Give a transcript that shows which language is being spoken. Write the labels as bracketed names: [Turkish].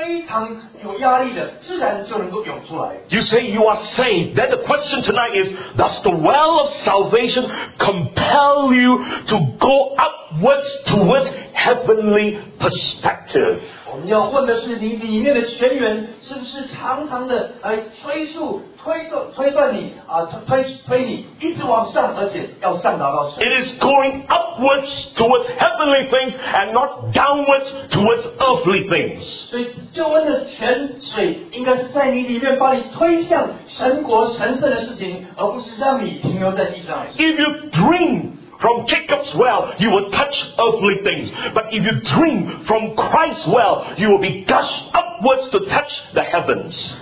[Chinese] 所以在十四节所谈的是一个非常深邃的一个井，它在这个井的这个结构形成里面，它这个水是非常有压力的，自然就能够涌出来。 [English] You say you are saved. Then the question tonight is, does the well of salvation compel you to go upwards towards heavenly perspective? [Chinese] 我们要问的是你里面的泉源是不是常常的来推动推断你一直往上，而且要上达到神。 [English] It is going upwards towards heavenly things and not downwards towards earthly things. [Chinese] 所以救恩的泉水应该是在你里面把你推向神国神圣的事情，而不是让你停留在地上。 [English] If you drink from Jacob's well, you will touch earthly things. But if you drink from Christ's well, you will be gushed upwards to touch the heavens.